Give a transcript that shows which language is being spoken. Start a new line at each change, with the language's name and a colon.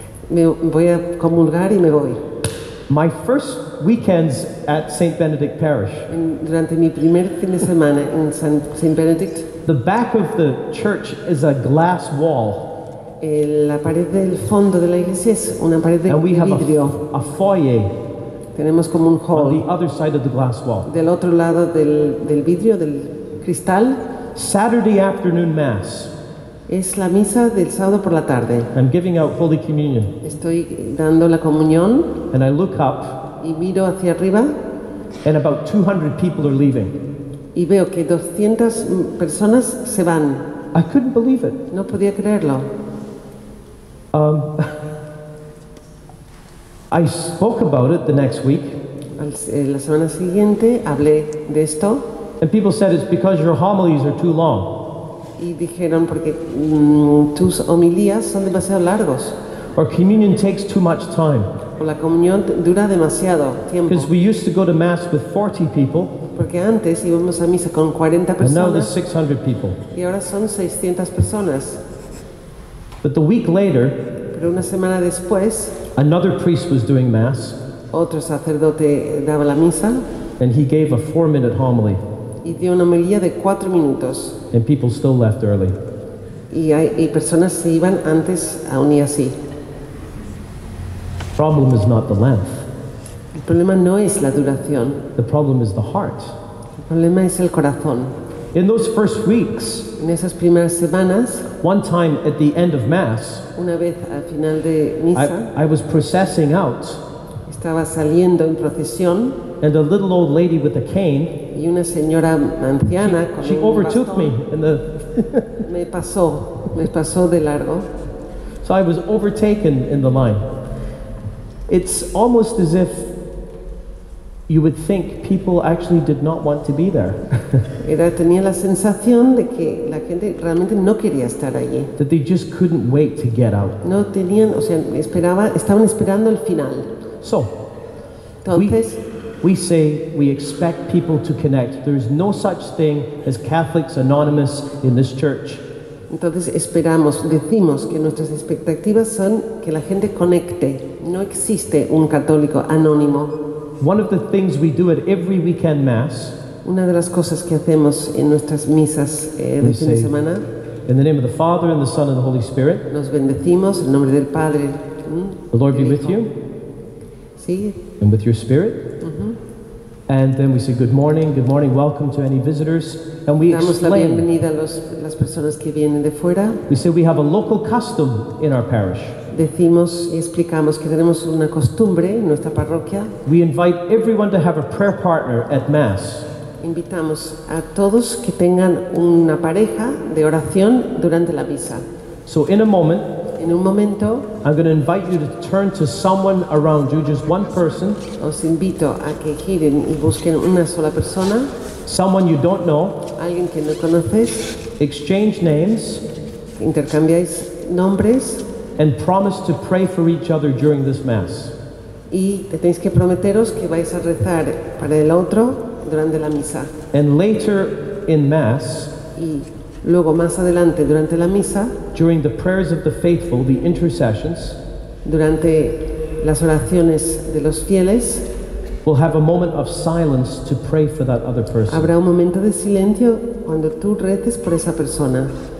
Spanish: Me voy a comulgar y me voy.
English: My first weekends at St. Benedict Parish.
Spanish: Durante mi primer fin de semana en St. Benedict.
English: The back of the church is a glass wall.
Spanish: La pared del fondo de la iglesia es una pared de
English: and we
Spanish: vidrio.
English: Have a foyer.
Spanish: Tenemos como un hall.
English: On the other side of the glass wall.
Spanish: Del otro lado del vidrio del cristal.
English: Saturday afternoon mass.
Spanish: Es la misa del sábado por la tarde.
English: I'm giving out holy communion.
Spanish: Estoy dando la comunión.
English: And I look up.
Spanish: Y miro hacia arriba.
English: And about 200 people are leaving.
Spanish: Y veo que 200 personas se van.
English: I couldn't believe it.
Spanish: No podía creerlo.
English: I spoke about it the next week.
Spanish: La semana siguiente hablé de esto.
English: And people said it's because your homilies are too long.
Spanish: Y dijeron porque tus homilías son demasiado largos.
English: Or communion takes too much time.
Spanish: O la comunión dura demasiado tiempo.
English: Because we used to go to mass with 40 people.
Spanish: Porque antes íbamos a misa con 40 personas.
English: And now there's 600 people.
Spanish: Y ahora son 600 personas.
English: But the week later,
Spanish: pero una semana después,
English: another priest was doing mass.
Spanish: Otro sacerdote daba la misa.
English: And he gave a 4-minute homily.
Spanish: Y dio una homilía de 4 minutos.
English: And people still left early.
Spanish: Y personas se iban antes aún y así.
English: Problem is not the length.
Spanish: El problema no es la duración.
English: The problem is the heart.
Spanish: El problema es el corazón.
English: In those first weeks,
Spanish: en esas primeras semanas,
English: one time at the end of mass,
Spanish: una vez al final de misa,
English: I was processing out.
Spanish: Estaba saliendo en procesión.
English: And a little old lady with a cane,
Spanish: y una señora anciana
English: she overtook me in the
Spanish: me pasó de largo.
English: So I was overtaken in the line. It's almost as if you would think people actually did not want to be there.
Spanish: Tenía la sensación de que la gente realmente no quería estar allí.
English: That they just couldn't wait to get out.
Spanish: No tenían, o sea, estaban esperando el final.
English: So,
Spanish: entonces,
English: we say we expect people to connect. There's no such thing as Catholics Anonymous in this church.
Spanish: Entonces esperamos, decimos que nuestras expectativas son que la gente conecte. No existe un católico anónimo.
English: One of the things we do at every weekend mass.
Spanish: Una de las cosas que hacemos en nuestras misas de fin de semana.
English: In the name of the Father and the Son and the Holy Spirit.
Spanish: Nos bendecimos en nombre del Padre.
English: The Lord be with you.
Spanish: Sí.
English: And with your spirit. And then we say good morning, welcome to any visitors. And we
Spanish: damos
English: explain.
Spanish: La bienvenida a las personas que vienen de fuera.
English: We say we have a local custom in our parish.
Spanish: Decimos y explicamos que tenemos una costumbre en nuestra parroquia.
English: We invite everyone to have a prayer partner at Mass.
Spanish: Invitamos a todos que tengan una pareja de oración durante la misa.
English: So in a moment,
Spanish: en un momento,
English: I'm going to invite you to turn to someone around you, just one person.
Spanish: Os invito a que giren y busquen una sola persona.
English: Someone you don't know.
Spanish: Alguien que no conoces.
English: Exchange names.
Spanish: Intercambiáis nombres.
English: And promise to pray for each other during this Mass.
Spanish: Y tenéis que prometeros que vais a rezar para el otro durante la misa.
English: And later in Mass.
Spanish: Y luego más adelante durante la misa.
English: During the prayers of the faithful, the intercessions.
Spanish: Durante las oraciones de los fieles.
English: We'll have a moment of silence to pray for that other person.
Spanish: Habrá un momento de silencio cuando tú reces por esa persona.